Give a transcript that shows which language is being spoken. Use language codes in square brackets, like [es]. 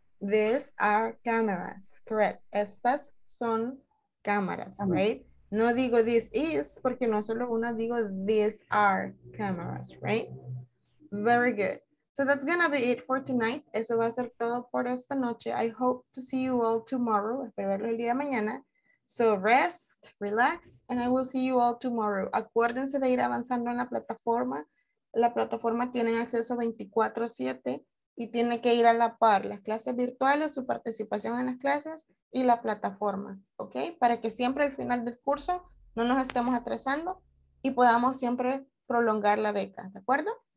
[en] These are cameras. Correct. [es] Estas son cámaras, [en] right? [es] No digo [en] this is, [es] porque no solo uno, digo [en] these are cameras, right? Very good. So that's gonna be it for tonight. [es] Eso va a ser todo por esta noche. [en] I hope to see you all tomorrow. [es] Espero verlo el día de mañana. [en] So rest, relax, and I will see you all tomorrow. [es] Acuérdense de ir avanzando en la plataforma. La plataforma tiene acceso 24/7 y tiene que ir a la par. Las clases virtuales, su participación en las clases y la plataforma, ¿ok? Para que siempre al final del curso no nos estemos atrasando y podamos siempre prolongar la beca, ¿de acuerdo?